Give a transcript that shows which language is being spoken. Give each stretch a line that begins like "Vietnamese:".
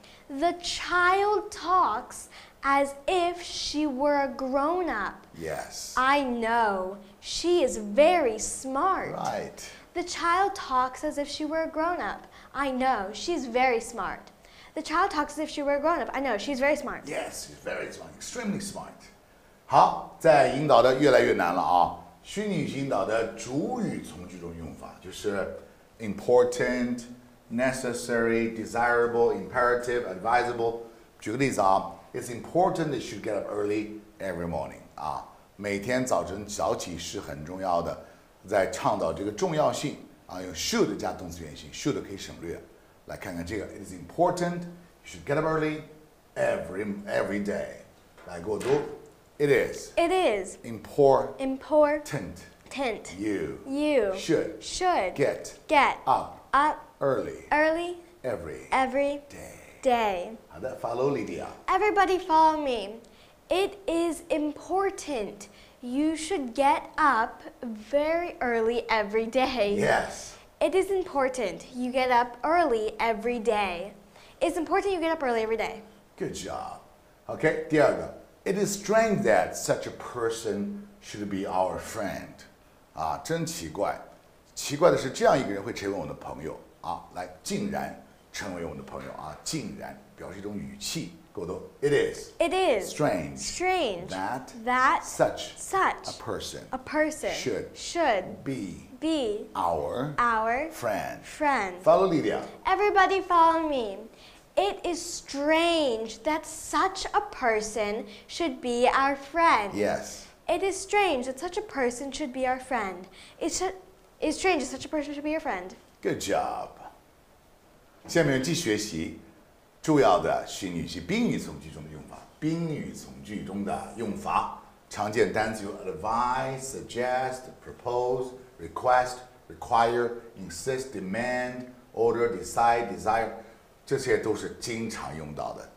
English: The child talks as if she were a grown-up. Yes. I know. She is very smart. Right. The child talks as if she were a grown-up. I know. She's very smart. The child talks as if she were a grown-up. I know. She's very smart. Yes, she's very smart. Extremely smart.
Chinese: 好，在引导的越来越难了啊。虚拟引导的主语从句中用法就是 important,necessary, desirable, imperative, advisable. 举个例子啊
English: ，It's important that you should get up early every morning.
Chinese: 啊，每天早晨早起是很重要的。在倡导这个重要性啊，用 should 加动词原形 ，should 可以省略。来看看这个
English: ，It's important you should get up early every day.
Chinese: 来给我读 ，
English: It is important you should get up Early. Early. Every. Every. Day. Day.
Chinese: 好的
English: ，follow Lydia. Everybody, follow me. It is important. You should get up very early every day. Yes. It is important. You get up early every day. It's important you get up early every day. Good job. Okay,
Chinese: 第二个
English: It is strange that such a person should be our friend.
Chinese: 啊，真奇怪。奇怪的是，这样一个人会成为我的朋友啊！来，竟然成为我的朋友啊！竟然表示一种语气，够多。
English: It is strange that such a person should be our friend. Follow Lydia. Everybody, follow me. It is strange that such a person should be our friend. Yes. It is strange that such a person should be our friend. It's strange that such a person should be your friend. Good job.
Chinese: 下面继续学习重要的虚拟语气宾语从句中的用法。宾语从句中的用法，常见单词有 advise, suggest, propose, request, require, insist, demand, order, decide, desire， 这些都是经常用到的。